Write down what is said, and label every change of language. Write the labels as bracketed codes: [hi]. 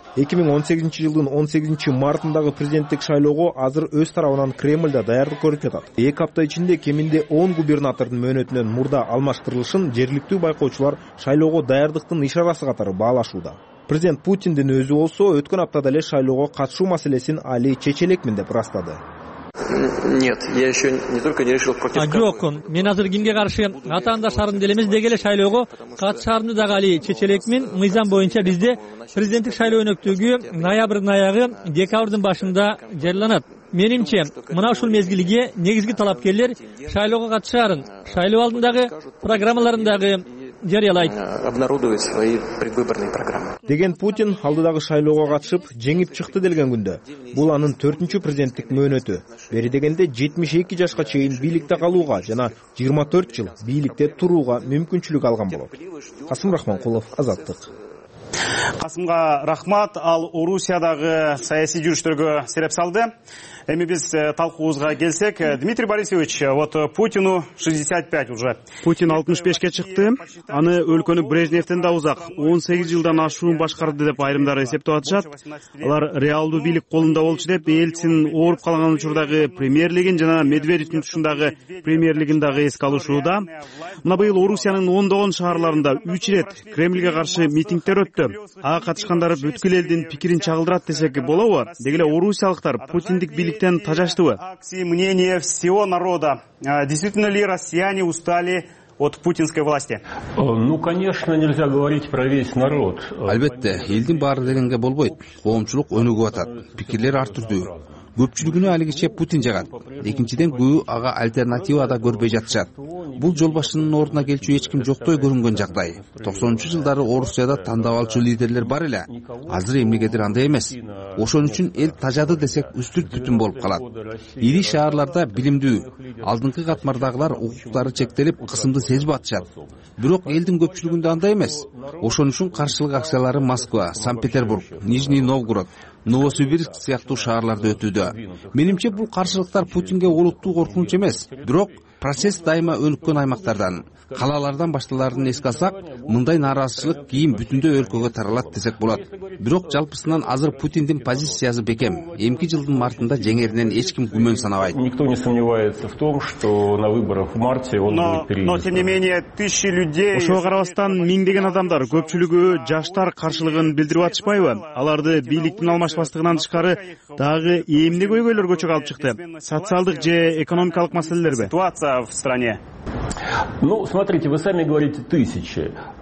[ky] 2018 жылдын 18 мартындагы президенттик шайлоого азыр өз тарабынан Кремльде даярдык көрүп жатат. Эки апта ичинде кеминде 10 губернатордун мөөнөтүнөн мурда алмаштырылышын жергиликтүү байкоочулар шайлоого даярдыктын ишарасы катары баалашууда. Президент Путиндин өзү болсо өткөн аптада эле шайлоого катышуу маселесин али чече элекмин деп ырастады. [ru] Нет, я еще не только не решил против кого. [ky] Жок, мен азыр кимге каршы атаандаштарымды эле эмес, деги эле шайлоого катышаарымды дагы али чече элекмин. Мыйзам боюнча бизде президенттик шайлоо өнөктүгү ноябрдын аягы, декабрдын башында жарыяланат. Менимче, мына ушул мезгилге негизги талапкерлер шайлоого катышаарын, шайлоо алдындагы программаларындагы жарыялайт. [ru] Обнародовать свои предвыборные программы. [ky] Деген Путин алдыдагы шайлоого катышып жеңип чыкты деген күндө. Бул анын 4-чү президенттик мөөнөтү. Бери дегенде 72 жашка чейин бийликте калууга жана 24 жыл бийликте турууга мүмкүнчүлүк алган болот. Касым Рахманкулов, Азаттык. Касымга рахмат, ал Орусиядагы саясий жүрүштөргө себеп салды. Эми биз талкуубузга келсек, Дмитрий Борисович, [ru] вот Путину 65 уже. [ky] Путин 65-ке чыкты. Аны өлкөнү Брежневтен да узак 18 жылдан ашуун башкарды деп айрымдар эсептеп атышат. Алар реалдуу бийлик колунда болчу деп Ельцин ооруп калган учурдагы премьер лиген жана Медведевдин тушундагы премьер лигин дагы эске алышууда. Мына быйыл Орусиянын ондогон шаарларында 3 ирет Кремльге каршы митингтер өттү. Ага катышкандар бүткүл элдин пикирин чагылдырат десек болобу? Деги эле орусиялыктар Путиндик бийликтен тажаштыбы? [ru] Акции мнения всего народа. Действительно ли россияне устали от путинской власти? Ну, конечно, нельзя говорить про весь народ. [ky] Албетте, элдин баары дегенге болбойт. Коомчулук өнүгүп атат. Пикирлер ар түрдүү. көпчүлүгүнө алигиче Путин жагат. Экинчиден күйү ага альтернатива да көрбөй жатышат. Бул жолбашынын ордуна келчү эч ким жоктой көрүнгөн жагдай. 90-жылдары Орусияда тандап алчу лидерлер бар эле. Азыр эмнегедир андай эмес. Ошон үчүн эл тажады десек үстүрт бүтүн болуп калат. Ири шаарларда билимдүү, алдыңкы катмардагылар укуктары чектелип, кысымды сезип атышат. Бирок элдин көпчүлүгүндө андай эмес. Ошон үчүн каршылык акциялары Москва, Санкт-Петербург, Нижний Новгород, Новосибирск сыяктуу шаарларда өтүүдө. Менимче бул каршылыктар Путинге олуттуу коркунуч эмес, бирок процесс дайыма өнүккөн аймактардан, калалардан башталарын эске алсак, мындай нааразычылык кийин бүтүндөй өлкөгө таралат десек болот. Бирок жалпысынан азыр Путиндин позициясы бекем. Эмки жылдын мартында жеңеринен эч ким күмөн санабайт. [ru] Никто не сомневается в том, что на выборах в марте он будет перейти. Но тем не менее, тысячи людей. [ky] Ошого карабастан миңдеген адамдар, көпчүлүгү жаштар каршылыгын билдирип атышпайбы? Аларды бийликтин алмашпастыгынан тышкары дагы эмне көйгөйлөргө чыга алып чыкты? Социалдык же экономикалык маселелерби? [ru] Ситуация в стране. Ну, смотрите, вы сами говорите тысячи.